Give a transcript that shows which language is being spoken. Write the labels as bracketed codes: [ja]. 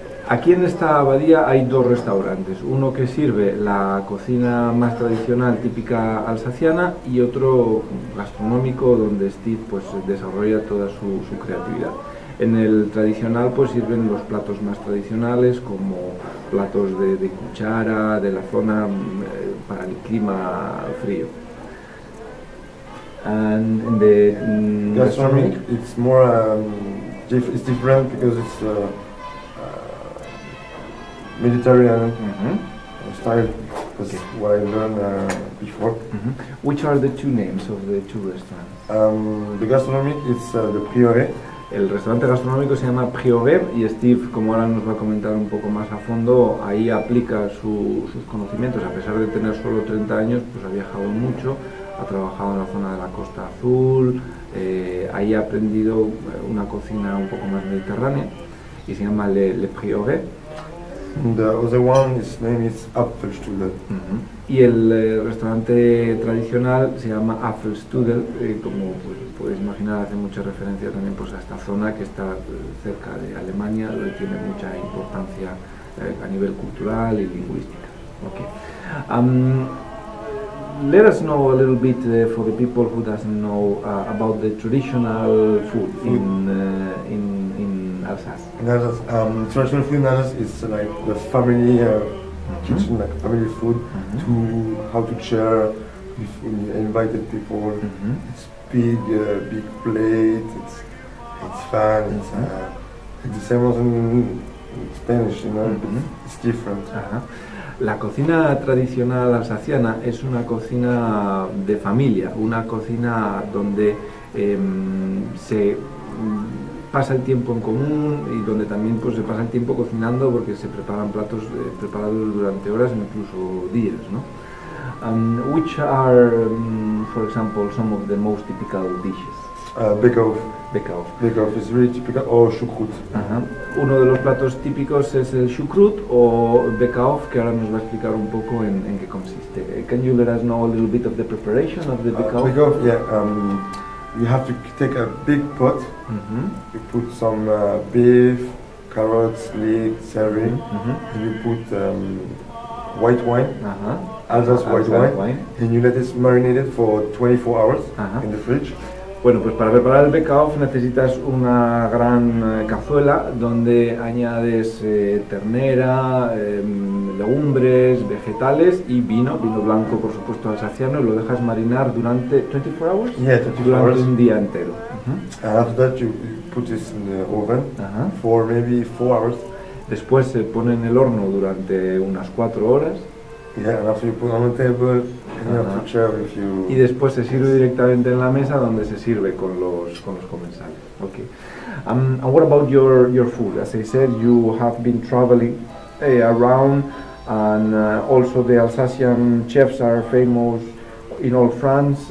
[es] Aquí en esta abadía hay dos restaurantes, uno que sirve la cocina más tradicional, típica alsaciana, y otro gastronómico donde Steve pues, desarrolla toda su creatividad. En el tradicional pues, sirven los platos más tradicionales, como platos de cuchara, de la zona para el clima frío. [en] And the gastronomic, it's more it's different because it's Mediterranean style, that's what I learned before. Which are the two names of the two restaurants? The gastronomic is the Priore. [es] El restaurante gastronómico se llama Priore y Steve, como ahora nos va a comentar un poco más a fondo, ahí aplica sus conocimientos. A pesar de tener solo 30 años, pues ha viajado mucho, ha trabajado en la zona de la Costa Azul, ahí ha aprendido una cocina un poco más mediterránea y se llama Le Priore. [en] And the other one, his name is Apfelstrudel. [es] Y el restaurante tradicional se llama Apfelstrudel, como pues, puedes imaginar, hace mucha referencia también pues, a esta zona que está cerca de Alemania, donde tiene mucha importancia a nivel cultural y lingüística. [en] Okay. Let us know a little bit for the people who doesn't know about the traditional food in Alsace. In Alsace, traditional food in Alsace is like the family kitchen, like family food, to how to share if you invited people. It's big, big plate. It's fun. It's the same as in Spanish, you know. It's different. [es] La cocina tradicional alsaciana es una cocina de familia, una cocina donde se pasa el tiempo en común y donde también pues, se pasa el tiempo cocinando porque se preparan platos preparados durante horas, incluso días, ¿no? [en] And which are, for example, some of the most typical dishes? Bekov is really typical, or choucroute. Uh-huh. [es] Uno de los platos típicos es el choucroute o bekov, que ahora nos va a explicar un poco en qué consiste. [en] Can you let us know a little bit of the preparation of the bekov? Bekov, you have to take a big pot. Mm-hmm. You put some beef, carrots, leek, celery. Mm-hmm. And you put white wine, Alsace white wine, and you let it marinate it for 24 hours uh-huh. in the fridge. [es] Bueno, pues para preparar el bekov necesitas una gran cazuela donde añades ternera, legumbres, vegetales y vino blanco, por supuesto, alsaciano, y lo dejas marinar durante [en] 24 hours. Yeah, 24 [es] durante [en] hours. [es] Un día entero. Uh-huh. [en] And after that you put this in the oven uh-huh. for maybe 4 hours. [es] Después se pone en el horno durante unas 4 horas. [en] Yeah, and after you put on the table. Uh-huh. [es] Y después se sirve directamente en la mesa, donde se sirve con los comensales. [en] Okay. And what about your food? As I said, you have been traveling around, and also the Alsacian chefs are famous in all France.